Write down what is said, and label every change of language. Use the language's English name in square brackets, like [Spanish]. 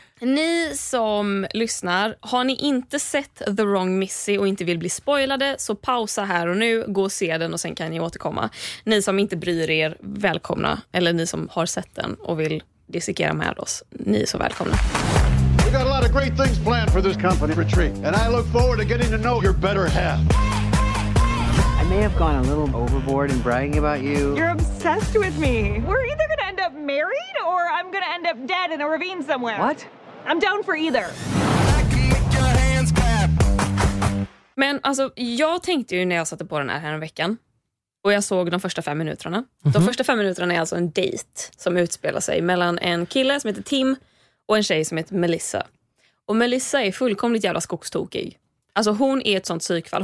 [Swedish] Ni som lyssnar, har ni inte sett The Wrong Missy och inte vill bli spoilade, så pausa här och nu, gå och se den och sen kan ni återkomma. Ni som inte bryr er, välkomna. Eller ni som har sett den och vill dissekera med oss, ni är så välkomna. [English] We got a lot of great things planned for this company retreat, and I look forward to getting to know your better half. I may have gone a little overboard in bragging about you. You're obsessed with me. We're either gonna end up married or I'm gonna end up dead in a ravine somewhere. What? I'm down for either. [Swedish] Men alltså, jag tänkte ju när jag satte på den här veckan och jag såg de första 5 minuterna. Mm-hmm. De första 5 minuterna är alltså en dejt som utspelar sig mellan en kille som heter Tim och en tjej som heter Melissa. Och Melissa är fullkomligt jävla skogstokig. Alltså hon är ett sånt psykfall.